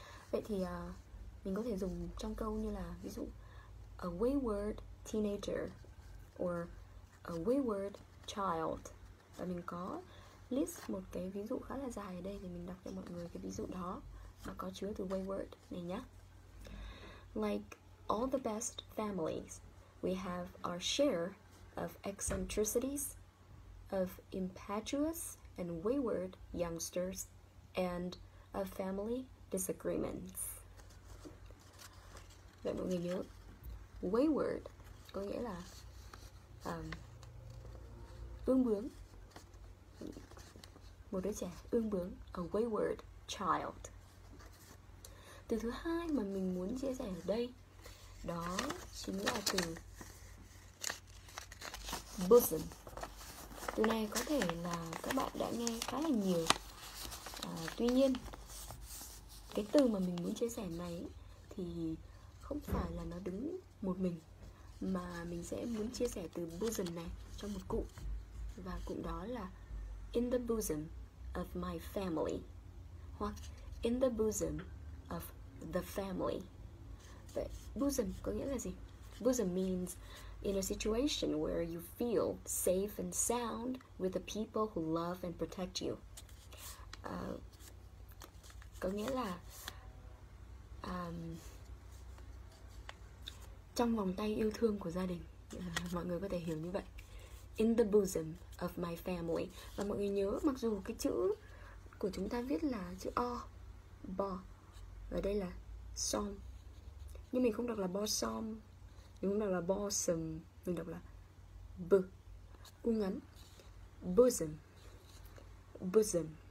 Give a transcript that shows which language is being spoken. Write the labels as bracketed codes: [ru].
[vi] Vậy thì mình có thể dùng trong câu như là ví dụ [en] a wayward teenager or a wayward child. [vi] Và mình có list một cái ví dụ khá là dài ở đây thì mình đọc cho mọi người cái ví dụ đó mà có chứa từ wayward này nhé. [en] Like all the best families, we have our share of eccentricities, of impetuous and wayward youngsters, and of family disagreements. [vi] Vậy mọi người nhớ wayward có nghĩa là ương bướng, một đứa trẻ ương bướng, [en] a wayward child. [vi] Từ thứ hai mà mình muốn chia sẻ ở đây đó chính là từ bosom. Từ này có thể là các bạn đã nghe khá là nhiều. Tuy nhiên cái từ mà mình muốn chia sẻ này thì không phải là nó đứng một mình, mà mình sẽ muốn chia sẻ từ bosom này cho một cụm, và cụm đó là [en] in the bosom of my family [vi] hoặc [en] in the bosom of the family. [vi] Vậy bosom có nghĩa là gì? [en] Bosom means in a situation where you feel safe and sound with the people who love and protect you. [vi] Có nghĩa là trong vòng tay yêu thương của gia đình. Mọi người có thể hiểu như vậy. [en] In the bosom of my family. [vi] Và mọi người nhớ mặc dù cái chữ của chúng ta viết là chữ O, bo, và đây là som, nhưng mình không đọc là bo som, mình không đọc là bo sừng, mình đọc là b, u ngắn, bosom, bosom.